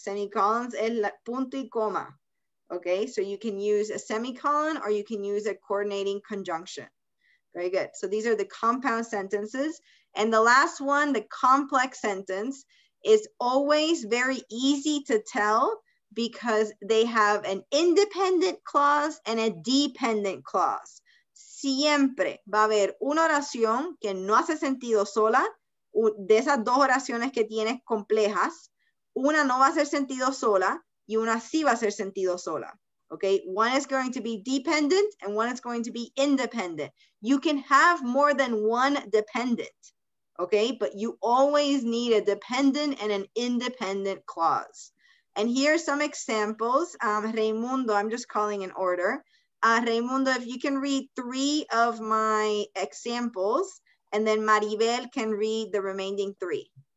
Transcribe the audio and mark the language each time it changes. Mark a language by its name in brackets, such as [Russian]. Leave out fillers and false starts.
[English] Semicolons [Spanish] es punto y coma. [English] Okay, so you can use a semicolon or you can use a coordinating conjunction. Very good. So these are the compound sentences. And the last one, the complex sentence, is always very easy to tell because they have an independent clause and a dependent clause. [Spanish] Siempre va a haber una oración que no hace sentido sola. De esas dos oraciones que tienes complejas, una no va a hacer sentido sola y una sí va a hacer sentido sola. [English] Okay, one is going to be dependent and one is going to be independent. You can have more than one dependent, okay? But you always need a dependent and an independent clause. And here are some examples. Raimundo, I'm just calling in order. Raimundo, if you can read three of my examples, and then Maribel can read the remaining three.